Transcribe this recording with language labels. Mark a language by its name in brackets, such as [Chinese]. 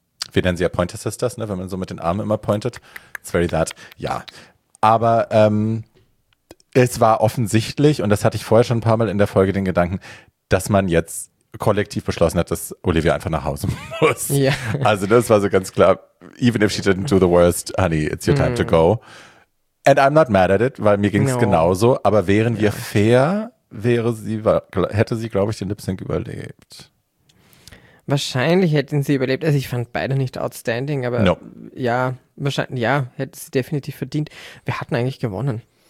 [German] Wir nennen sie ja Pointer Sisters, ne? Wenn man so mit den Armen immer pointet. [English] It's very that. [German] Ja. Aber es war offensichtlich, und das hatte ich vorher schon ein paar Mal in der Folge, den Gedanken, dass man jetzt kollektiv beschlossen hat, dass Olivia einfach nach Hause muss. [English] Yeah. [German] Also das war so ganz klar. [English] Even if she didn't do the worst, honey, it's your time to go. And I'm not mad at it, [German] weil mir ging es genauso. Aber wären wir fair, hätte sie, glaube ich, den Lip-Sync überlebt. Wahrscheinlich hätten sie überlebt. Also ich fand beide nicht outstanding, aber wahrscheinlich, hätte sie definitiv verdient. Wer hat denn eigentlich gewonnen?